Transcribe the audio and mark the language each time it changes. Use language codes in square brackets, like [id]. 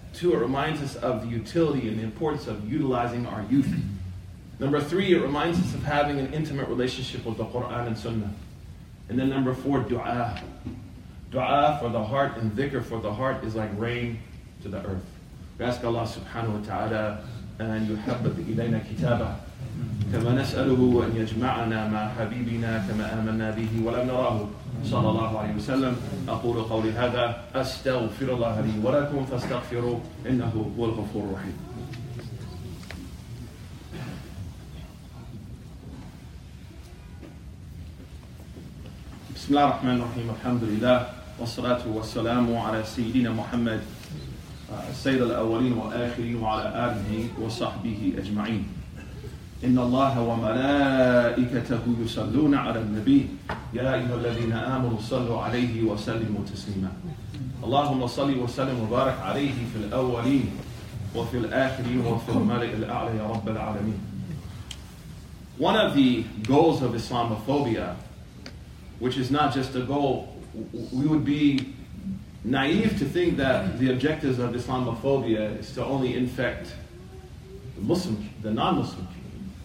[en] Two, it reminds us of the utility and the importance of utilizing our youth. Number three, it reminds us of having an intimate relationship with the Quran and Sunnah. And then number four, dua. Dua for the heart and dhikr for the heart is like rain to the earth. We ask Allah subhanahu wa ta'ala [ar] أن يحبب إلينا كتابه كما نسأله أن يجمعنا مع حبيبنا كما آمنا به ولم نراه صلى الله عليه وسلم أقول قولي هذا أستغفر الله لي ولكم فاستغفروا إنه هو الغفور الرحيم بسم الله الرحمن الرحيم الحمد لله والصلاة والسلام على سيدنا محمد سيد الأولين والآخرين وعلى آله وصحبه أجمعين إن الله وملائكته يصلون على النبي يا أيها الذين آمنوا صلوا عليه وسلموا تسليما اللهم صل وسلم وبارك عليه في الأولين وفي الآخرين وفي الملأ الأعلى يا رب العالمين. [en] One of the goals of Islamophobia, which is not just a goal, we would be naive to think that the objectives of Islamophobia is to only infect the non-Muslim community.